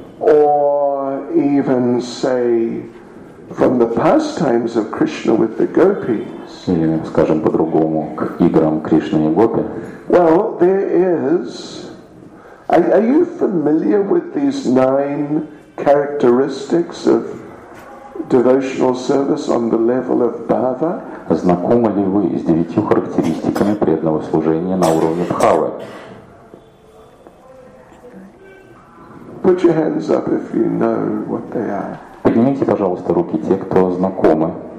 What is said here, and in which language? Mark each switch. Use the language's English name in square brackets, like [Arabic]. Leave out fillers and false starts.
[English] Or even say, from the pastimes of Krishna with the gopis. [Russian] Или, скажем по-другому, к играм Кришны и Гопи. [English] Well, there is. Are you familiar with these 9 characteristics of devotional service on the level of bhava? [Russian] Знакомы ли вы с 9 характеристиками преданного служения на уровне бхавы? [English] Put your hands up if you know what they are. [Russian] Поднимите, пожалуйста, руки те, кто знакомы.